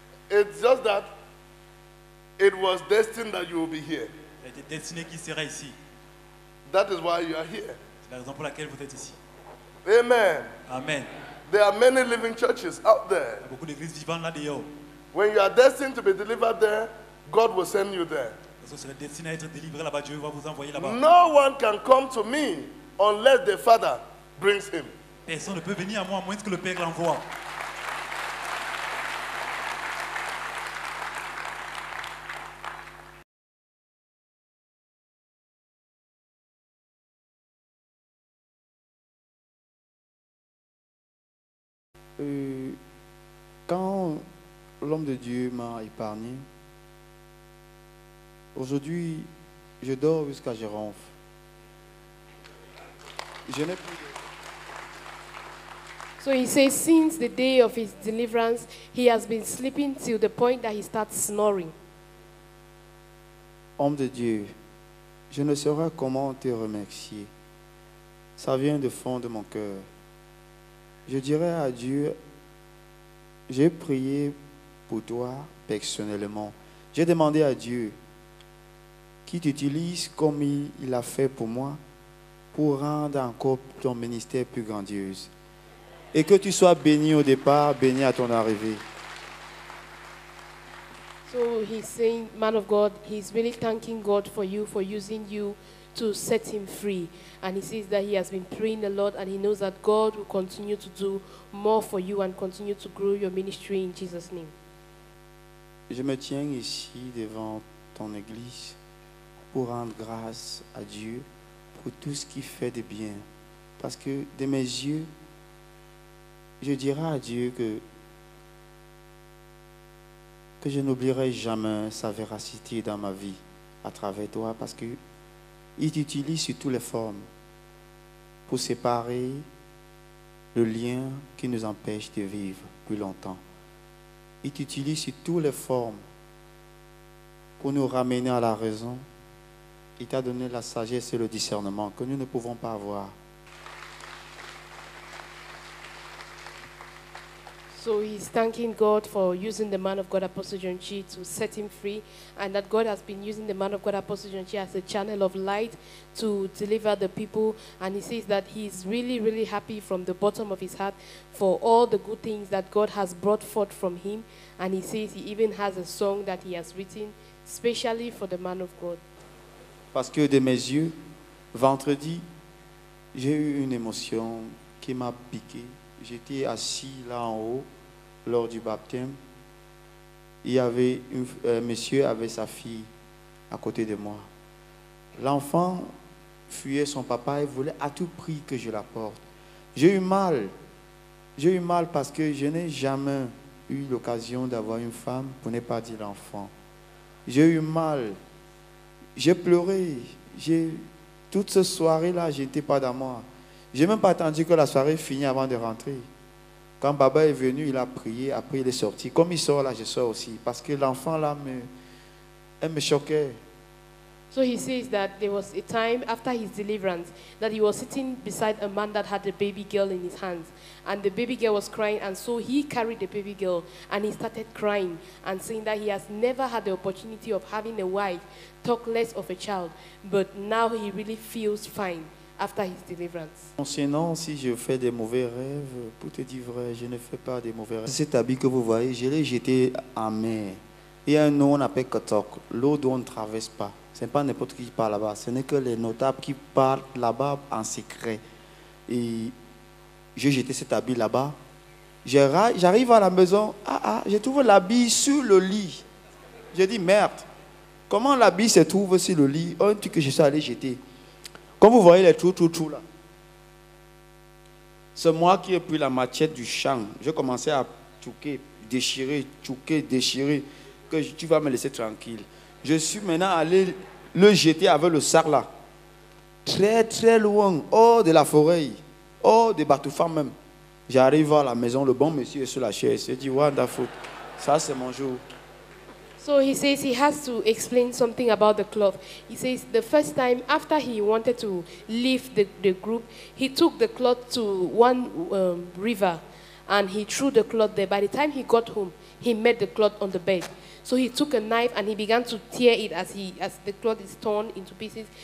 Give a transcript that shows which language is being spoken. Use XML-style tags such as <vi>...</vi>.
<en>It's just that it was destined that you will be here.</en> <fr>Il était destiné qu'il serait ici.</fr> <en>That is why you are here.</en> <fr>C'est la raison pour laquelle vous êtes ici.</fr> <en>Amen. Amen. There are many living churches out there.</en> <fr>Il y a beaucoup d'églises vivantes là-dedans.</fr> <en>When you are destined to be delivered there, God will send you there. No one can come to me unless the Father brings him.</en> <fr>Personne ne peut venir à moi à moins que le Père l'envoie. Quand l'homme de Dieu m'a épargné, aujourd'hui, je dors jusqu'à je ronfle. Je n'ai plus.</fr> <en>So he says, since the day of his deliverance, he has been sleeping till the point that he starts snoring.</en> <fr>Homme de Dieu, je ne saurais comment te remercier. Ça vient du fond de mon cœur. Je dirais à Dieu, j'ai prié pour toi personnellement. J'ai demandé à Dieu qui t'utilise comme il a fait pour moi, pour rendre encore ton ministère plus grandiose. Et que tu sois béni au départ, béni à ton arrivée.</fr> <en>So he's saying, man of God, he's really thanking God for you, for using you to set him free. And he says that he has been praying a lot and he knows that God will continue to do more for you and continue to grow your ministry in Jesus' name.</en> <fr>Je me tiens ici devant ton église pour rendre grâce à Dieu pour tout ce qu'il fait de bien. Parce que de mes yeux, je dirai à Dieu que je n'oublierai jamais sa véracité dans ma vie à travers toi, parce qu'il t'utilise sur toutes les formes pour séparer le lien qui nous empêche de vivre plus longtemps. Il t'utilise sur toutes les formes pour nous ramener à la raison. Il t'a donné la sagesse et le discernement que nous ne pouvons pas avoir.</fr> <en>So he's thanking God for using the man of God Apostle John Chi to set him free, and that God has been using the man of God Apostle John Chi as a channel of light to deliver the people. And he says that he's really, really happy from the bottom of his heart for all the good things that God has brought forth from him. And he says he even has a song that he has written specially for the man of God.</en> <fr>Parce que de mes yeux, vendredi, j'ai eu une émotion qui m'a piqué. J'étais assis là en haut lors du baptême. Il y avait un monsieur avait sa fille à côté de moi. L'enfant fuyait son papa et voulait à tout prix que je la porte. J'ai eu mal. J'ai eu mal parce que je n'ai jamais eu l'occasion d'avoir une femme pour ne pas dire l'enfant. J'ai eu mal. J'ai pleuré. Toute cette soirée-là, je n'étais pas dans moi. J'ai même pas attendu que la soirée finisse avant de rentrer. Quand Baba est venu, il a prié, après il est sorti. Comme il sort là, je sors aussi. Parce que l'enfant là, elle me choquait.</fr> <en>So he says that there was a time after his deliverance that he was sitting beside a man that had a baby girl in his hands. And the baby girl was crying, and so he carried the baby girl and he started crying and saying that he has never had the opportunity of having a wife talk less of a child. But now he really feels fine. After his deliverance.</en> <fr>Sinon, si je fais des mauvais rêves, pour te dire vrai, je ne fais pas des mauvais rêves. Cet habit que vous voyez, je l'ai jeté en mer. Il y a un nom qu'on appelle Kotok, l'eau d'où on ne traverse pas. Ce n'est pas n'importe qui parle là-bas. Ce n'est que les notables qui parlent là-bas en secret. Et j'ai jeté cet habit là-bas. J'arrive à la maison, je trouve l'habit sur le lit. J'ai dit, merde, comment l'habit se trouve sur le lit? Un truc que je suis allé jeter. Comme vous voyez les trous, trous, trous là, c'est moi qui ai pris la machette du champ. J'ai commencé à touquer, déchirer, que tu vas me laisser tranquille. Je suis maintenant allé le jeter avec le sac là, très très loin, hors de la forêt, hors des batoufans même. J'arrive à la maison, le bon monsieur est sur la chaise, il dit, wonderful, ça c'est mon jour.</fr> <en>So he says he has to explain something about the cloth. He says the first time after he wanted to leave the group, he took the cloth to one river and he threw the cloth there. By the time he got home, he met the cloth on the bed. So he took a knife and he began to tear it as the cloth is torn into pieces.</en>